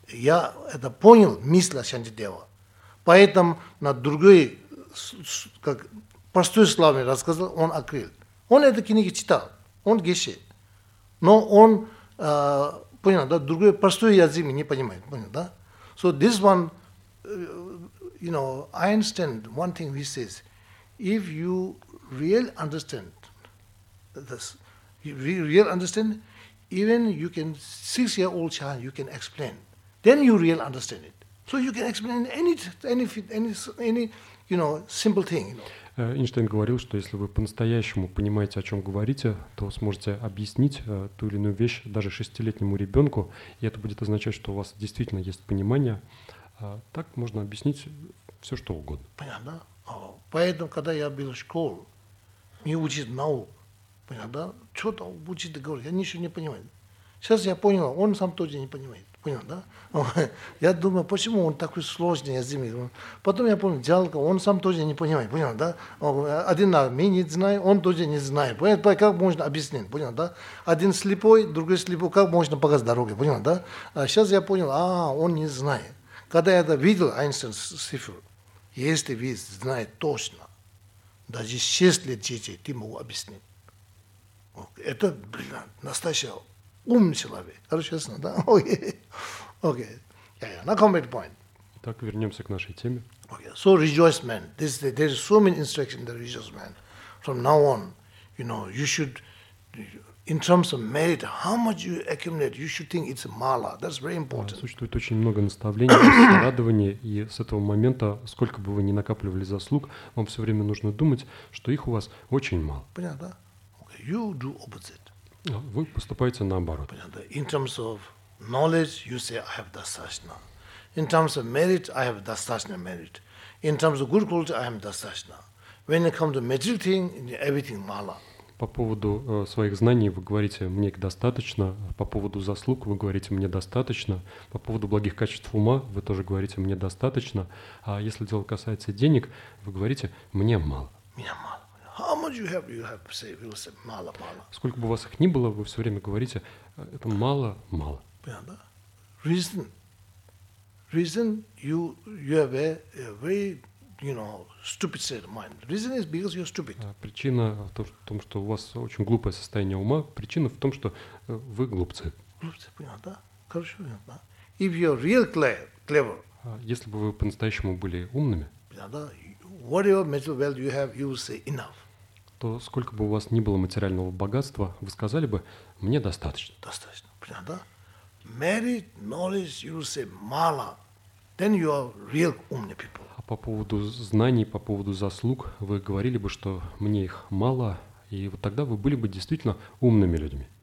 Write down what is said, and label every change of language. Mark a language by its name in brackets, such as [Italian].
[Russian] Я это понял, мысль Шанитова. Поэтому на другой, как простой славный рассказал, он открыл. Он эти книги читал, он геше. Но он, понял, да, другой простой язык не понимает, понял, да? [English] So this one, you know, I understand one thing he says. If you really understand this, you really understand, even you can, 6-year-old child, you can explain. Then you really understand it. So you can explain any, you know, simple thing. [Russian] Эйнштейн говорил, что если вы по-настоящему понимаете, о чем говорите, то сможете объяснить ту или иную вещь даже 6-летнему ребенку, и это будет означать, что у вас действительно есть понимание. Так можно объяснить все, что угодно. Понятно. Поэтому, когда я был в школе, не учит науку, понятно, да? Что-то учит говорить, я ничего не понимаю. Сейчас я понял, он сам тоже не понимает. Понял, да? Я думаю, почему он такой сложный язык? Потом я понял, жалко, он сам тоже не понимает. Понял, да? Один меня не знает, он тоже не знает. Понял, как можно объяснить? Понял, да? Один слепой, другой слепой, как можно показать дорогу? Понял, да? Сейчас я понял, он не знает. Когда я это видел, Эйнштейн цифру, если вы знаете точно, даже 6 лет детей, ты могу объяснить. Это, настоящий умный человек. Хорошо, ясно, да? [English] Okay. Yeah. Now come back to point. [Russian] Итак, вернемся к нашей теме. [English] Okay. So rejoice, man. There's so many instructions in the rejoice, man. From now on, you know, you should, in terms of merit, how much you accumulate, you should think it's a mala. That's very important. [Russian] Существует очень много наставлений, радования, и с этого момента, сколько бы вы ни накапливали заслуг, вам все время нужно думать, что их у вас очень мало. Понятно, да? [English] Okay. You do opposite. [Russian] Вы поступаете наоборот. [English] In terms of knowledge, you say I have dasashna. In terms of merit, I have dasashna merit. In terms of good quality, I am dasashna. When it comes to material thing, everything mala. [Russian] По поводу своих знаний вы говорите мне их достаточно. По поводу заслуг вы говорите мне достаточно. По поводу благих качеств ума вы тоже говорите мне достаточно. А если дело касается денег, вы говорите мне мало. Мне мало. [English] How much you have, say, [Russian] мало, мало. Сколько бы у вас их ни было, вы все время говорите, это мало, мало. Понятно, да? [English] Reason. Reason, you have a very, you know, stupid state of mind. The reason is because you're stupid. [Russian] Причина в том, что у вас очень глупое состояние ума. Причина в том, что вы глупцы. Глупцы, понятно, да? Хорошо, понятно. [English] If you're real clever. [Russian] Если бы вы по-настоящему были умными. Понятно, да? [English] Whatever material wealth you have, you say enough. [Russian] То сколько бы у вас ни было материального богатства, вы сказали бы, мне достаточно. Достаточно, понятно, да? [English] Merit, knowledge, you say [Russian] мало. [English] Then you are real [Russian] умные [English] people. [Russian] А по поводу знаний, по поводу заслуг, вы говорили бы, что мне их мало, и вот тогда вы были бы действительно умными людьми.